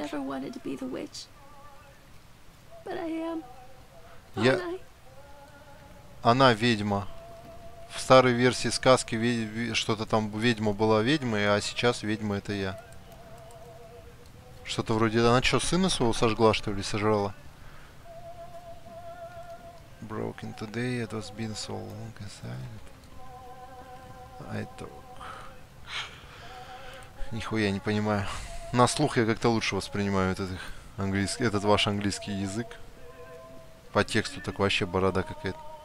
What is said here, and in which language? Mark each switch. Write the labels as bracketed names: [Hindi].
[English] Never wanted to be the witch, but I am. [Russian] Я. Она ведьма. В старой версии сказки что-то там ведьма была ведьмой, а сейчас ведьма это я. Что-то вроде. Она что, сына своего сожгла, что ли, сожрала? [English] Broken today, it has been so long inside. [Russian] Нихуя не понимаю. На слух я как-то лучше воспринимаю этот ваш английский язык. По тексту так вообще борода какая-то.